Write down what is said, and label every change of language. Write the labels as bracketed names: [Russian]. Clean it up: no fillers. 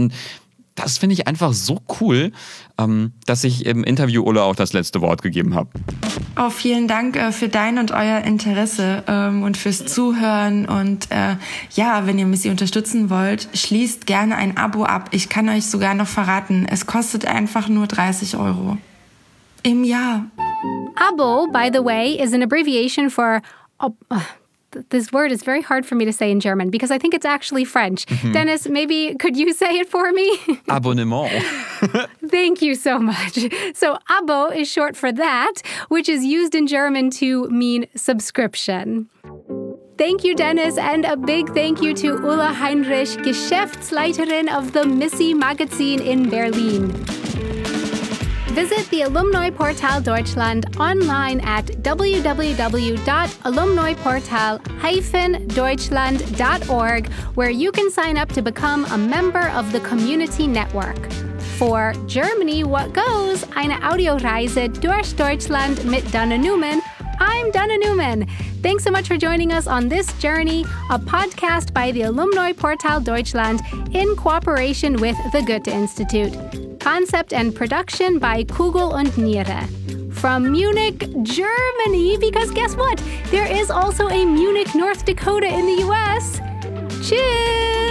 [German] Und das finde ich einfach so cool, dass ich im Interview Ulla auch das letzte Wort gegeben habe. Oh, vielen Dank für dein und euer Interesse und fürs Zuhören. Und ja, wenn ihr Missy unterstützen wollt, schließt gerne ein Abo ab. Ich kann euch sogar noch verraten, es kostet einfach nur 30 Euro im Jahr. [English] Abo, by the way, is an abbreviation for... This word is very hard for me to say in German because I think it's actually French. Mm-hmm. Dennis, maybe could you say it for me? [German] Abonnement. [English] Thank you so much. So Abo is short for that, which is used in German to mean subscription. Thank you, Dennis, and a big thank you to Ulla Heinrich, Geschäftsleiterin of the Missy Magazine in Berlin. Visit the Alumni Portal Deutschland online at www.alumniportal-deutschland.org, where you can sign up to become a member of the community network. For Germany, what goes? [German] Eine Audioreise durch Deutschland mit Dana Newman. [English] I'm Dana Newman. Thanks so much for joining us on this journey, a podcast by the Alumni Portal Deutschland in cooperation with the Goethe Institute. Concept and production by Kugel und Niere. From Munich, Germany, because guess what? There is also a Munich, North Dakota in the US. Tschüss!